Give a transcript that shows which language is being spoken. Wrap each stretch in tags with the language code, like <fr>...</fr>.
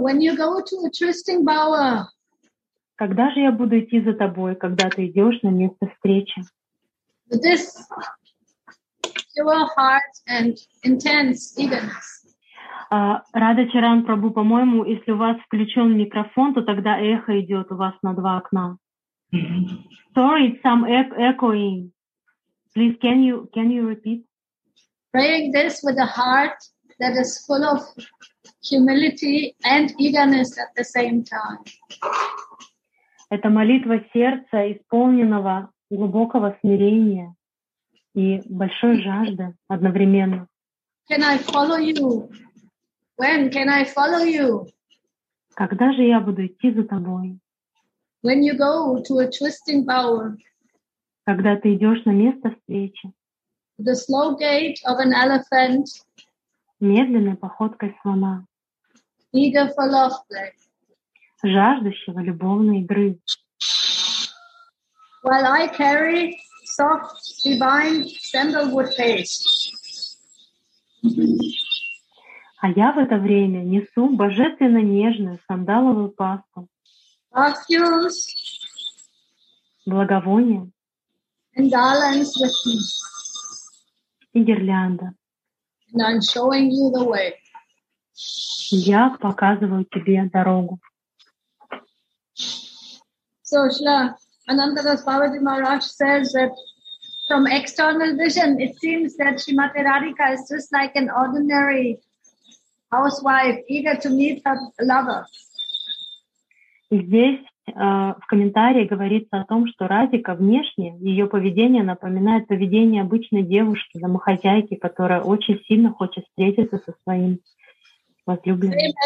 <en>When you go to a trysting bower?</en> <ru>Когда же я буду идти за тобой, когда ты идешь на место встречи?</ru> <en>This pure heart and intense eagerness.</en> <ru>Рада Чаран Прабу, по-моему, если у вас включен микрофон, то тогда эхо идет у вас на два окна.</ru> <en>Sorry, it's some echoing. Please, can you repeat? Praying this with a heart that is full of humility and eagerness at the same time.</en> <ru>Это молитва сердца, исполненного глубокого смирения и большой жажды одновременно.</ru> <en>Can I follow you? When can I follow you?</en> <ru>Когда же я буду идти за тобой?</ru> <en>When you go to a twisting bower.</en> <ru>Когда ты идешь на место встречи.</ru> <en>The slow gait of an elephant.</en> <ru>Медленной походкой слона.</ru> <en>Eager for love play.</en> <ru>Жаждущего любовной игры.</ru> <en>While I carry soft divine sandalwood paste.</en> <ru>А я в это время несу божественно нежную сандаловую пасту.</ru> <en>Perfumes.</en> <ru>Благовония.</ru> <en>And garlands with me.</en> <ru>И гирлянда.</ru> <en>And I'm showing you the way.</en> <ru>Я показываю тебе дорогу.</ru> <en>So, Shla, Ananda Das Babaji Maharaj says that from external vision, it seems that Srimati Radhika is just like an ordinary housewife, eager to meet her lover.</en> <ru>В комментарии говорится о том, что Радика внешне, ее поведение напоминает поведение обычной девушки, домохозяйки, которая очень сильно хочет встретиться со своим возлюбленным.</ru>